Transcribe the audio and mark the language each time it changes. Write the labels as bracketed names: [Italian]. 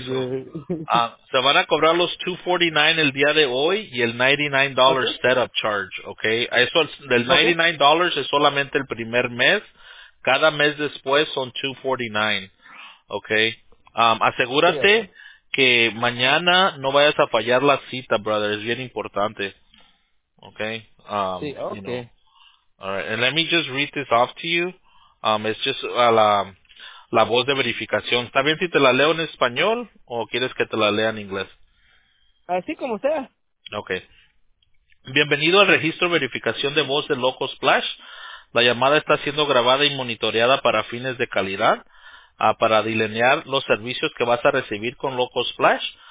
[Spanish] Se van a cobrar los $249 el día de hoy y el $99 setup charge, okay? Eso, el $99 es solamente el primer mes. Cada mes después son $249, okay? Asegúrate que mañana no vayas a fallar la cita, brother. Es bien importante, okay? Okay. [English] All right. And let me just read this off to you. It's just [Spanish] la voz de verificación. ¿Está bien si te la leo en español o quieres que te la lea en inglés? Así como sea. Okay. Bienvenido al registro de verificación de voz de Loco Splash. La llamada está siendo grabada y monitoreada para fines de calidad, para delinear los servicios que vas a recibir con Loco Splash.